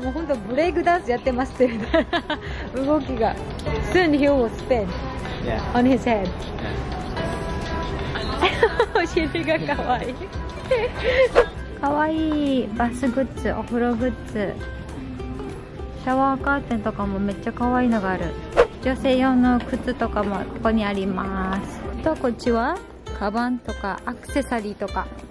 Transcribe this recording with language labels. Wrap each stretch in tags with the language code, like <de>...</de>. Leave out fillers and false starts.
<ja>もう本当ブレイクダンスやってますって動きが。</ja> <en>Soon he will spin on his head.</en> <ja>お尻がかわいいかわいい。バスグッズ、お風呂グッズ、シャワーカーテンとかもめっちゃかわいいのがある。女性用の靴とかもここにあります。あとこっちはカバンとかアクセサリーとか。</ja>